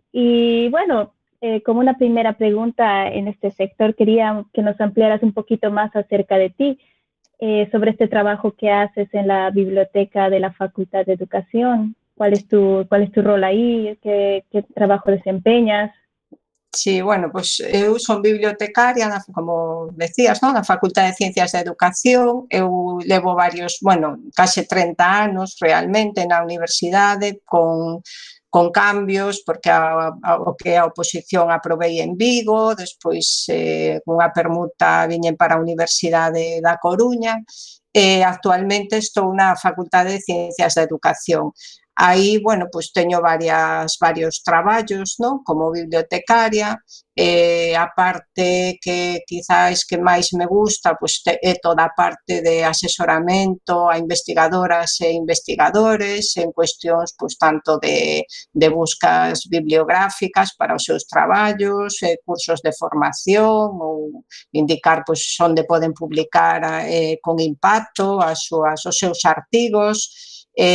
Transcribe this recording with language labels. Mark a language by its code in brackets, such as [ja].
[es] Y bueno, como una primera pregunta en este sector, quería que nos ampliaras un poquito más acerca de ti, sobre este trabajo que haces en la biblioteca de la Facultad de Educación. ¿Cuál es tu rol ahí? ¿Qué trabajo desempeñas? [gl] Sí, bueno, pues eu son bibliotecaria, como decías, ¿no? Na Facultad de Ciencias de Educación. Eu levo casi 30 anos realmente na universidade con con cambios, porque a oposición aprobei en Vigo, despois unha permuta viñen para a Universidade da Coruña, actualmente estou na Facultade de Ciencias da Educación. Aí, bueno, pues teño varios traballos, ¿no? Como bibliotecaria, a parte que quizás que máis me gusta, pues é toda a parte de asesoramento a investigadoras e investigadores en cuestións, pues tanto de buscas bibliográficas para os seus traballos, cursos de formación ou indicar pues onde poden publicar con impacto os seus artigos.